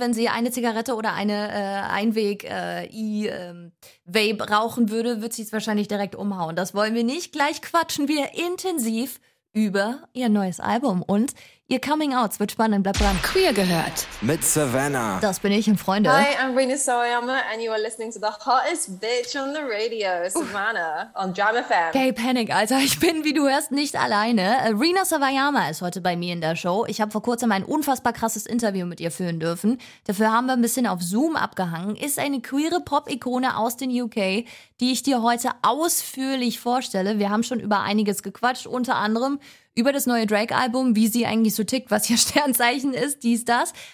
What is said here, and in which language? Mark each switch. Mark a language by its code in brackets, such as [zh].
[de] Wenn sie eine Zigarette oder eine Einweg-Vape rauchen würde, wird sie es wahrscheinlich direkt umhauen. Das wollen wir nicht. Gleich quatschen wir intensiv über ihr neues Album und ihr Coming Out. Es wird spannend. Bleibt dran. Queer gehört. Mit Savannah. Das bin ich und Freunde. [en] Hi, I'm Rina Sawayama and you are listening to the hottest bitch on the radio, Savannah, on Jam FM. [de] Gay Panic, Alter. Ich bin, wie du hörst, nicht alleine. Rina Sawayama ist heute bei mir in der Show. Ich habe vor kurzem ein unfassbar krasses Interview mit ihr führen dürfen. Dafür haben wir ein bisschen auf Zoom abgehangen. Ist eine queere Pop-Ikone aus den UK, die ich dir heute ausführlich vorstelle. Wir haben schon über einiges gequatscht, unter anderem über das neue Drake-Album, wie sie eigentlich so tickt, was ihr Sternzeichen ist, dies, das.